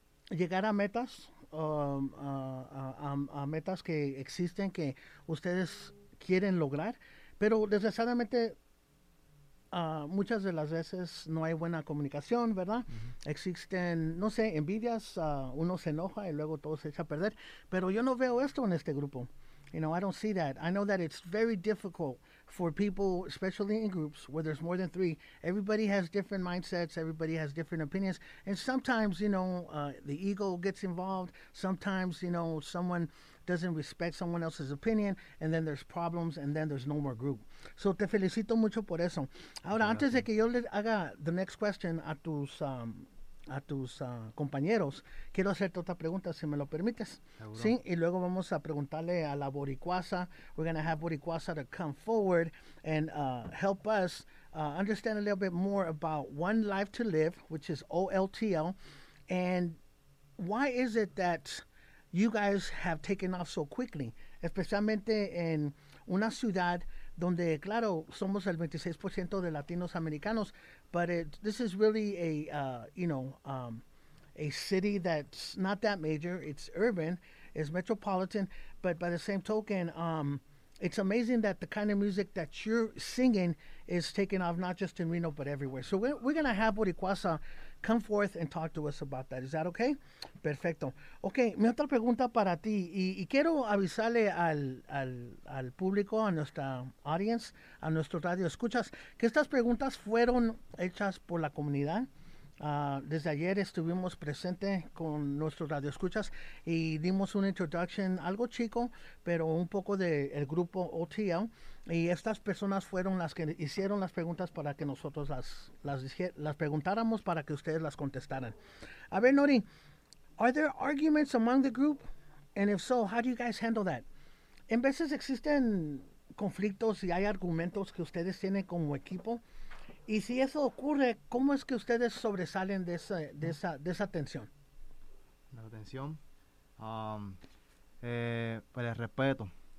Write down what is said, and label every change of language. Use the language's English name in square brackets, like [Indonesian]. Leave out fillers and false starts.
[Spanish] Llegar a metas, a metas que existen, que ustedes quieren lograr, pero desgraciadamente... muchas de las veces no hay buena comunicación, ¿verdad? Uh-huh. Existen, envidias, uno se enoja y luego todo se echa a perder. Pero yo no veo esto en este grupo. [English] I don't see that. I know that it's very difficult for people, especially in groups where there's more than three. Everybody has different mindsets. Everybody has different opinions. And sometimes, the ego gets involved. Sometimes, someone doesn't respect someone else's opinion, and then there's problems, and then there's no more group. [Spanish] So te felicito mucho por eso. Ahora, antes de que yo le haga [English] the next question [Spanish] a tus a tus compañeros, quiero hacerte otra pregunta, si me lo permites. Seguro. Sí, y luego vamos a preguntarle a la Boricuaza. [English] We're going to have Boricuaza to come forward and help us understand a little bit more about One Life to Live, which is OLTL, and why is it that you guys have taken off so quickly, [Spanish] especialmente en una ciudad donde, claro, somos el 26% de latinos americanos, [English] but this is really a, a city that's not that major. It's urban, it's metropolitan, but by the same token, it's amazing that the kind of music that you're singing is taking off, not just in Reno, but everywhere. So we're going to have Boricuaza come forth and talk to us about that. Is that okay? [Spanish] Perfecto. Okay, mi otra pregunta para ti, y quiero avisarle al público, a nuestra audience, a nuestro radio escuchas, que estas preguntas fueron hechas por la comunidad. Desde ayer estuvimos presente con nuestros radioescuchas y dimos una introduction algo chico, pero un poco del grupo OTL, y estas personas fueron las que hicieron las preguntas para que nosotros las preguntáramos para que ustedes las contestaran. A ver, [English] Nori, are there arguments among the group? And if so, how do you guys handle that? [Spanish] ¿En veces existen conflictos y hay argumentos que ustedes tienen como equipo? Y si eso ocurre, ¿cómo es que ustedes sobresalen de esa tensión? La tensión, pues el respeto.